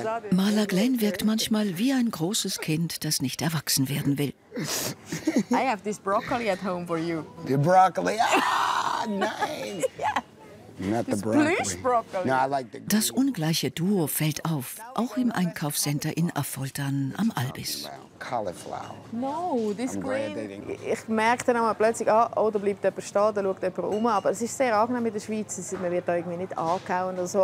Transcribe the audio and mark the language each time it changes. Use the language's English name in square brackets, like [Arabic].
[German] Maler Glenn wirkt manchmal wie ein großes Kind, das nicht erwachsen werden will. [English] I have this broccoli at home for you. The broccoli? [German] Ah, nein! [English] Yeah. Not the broccoli. No, I like the [German] das ungleiche Duo fällt auf, auch im Einkaufscenter in Affoltern am Albis. [English] No, this green. [German] Ich merke dann einmal plötzlich, ah, oh, da bleibt jemand stehen, da schaut jemand um. Aber es ist sehr angenehm mit der Schweiz, man wird da irgendwie nicht angehauen oder so.